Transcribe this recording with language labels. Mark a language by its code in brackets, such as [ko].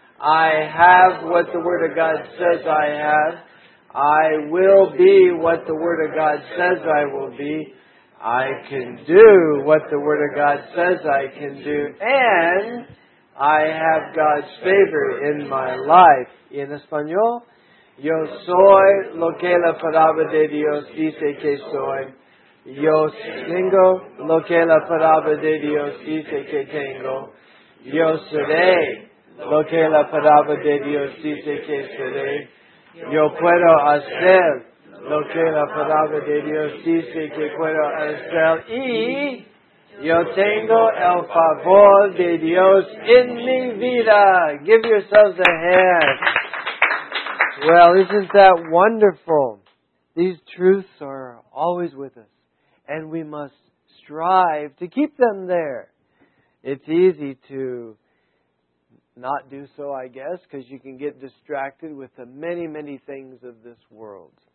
[en] I have what the Word of God says I have. I will be what the Word of God says I will be. I can do what the Word of God says I can do. And I have God's favor in my life. [es] In Espanol, yo soy lo que la palabra de Dios dice que soy. Yo tengo lo que la palabra de Dios dice que tengo. Yo seré lo que la palabra de Dios dice que seré. Yo puedo hacer lo que la palabra de Dios dice que puedo hacer. Y yo tengo el favor de Dios en mi vida. [en] Give yourselves a hand. Well, isn't that wonderful? These truths are always with us, and we must strive to keep them there. It's easy to not do so, I guess, because you can get distracted with the many, many things of this world.